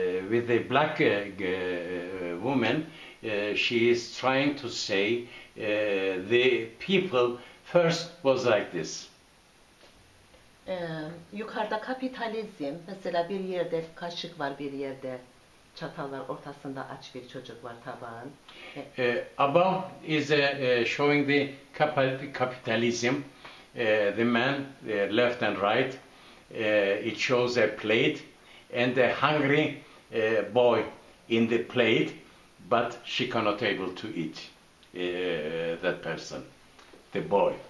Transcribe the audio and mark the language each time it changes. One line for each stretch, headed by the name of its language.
English: With the black woman, she is trying to say the people first was like this.
Turkish: Yukarıda kapitalizm, mesela bir yerde kaşık var, bir yerde çatal var, ortasında aç bir çocuk var, tabağın.
English: Above is showing the capitalism, the man left and right, it shows a plate and a hungry boy in the plate, but she cannot able to eat that person, the boy.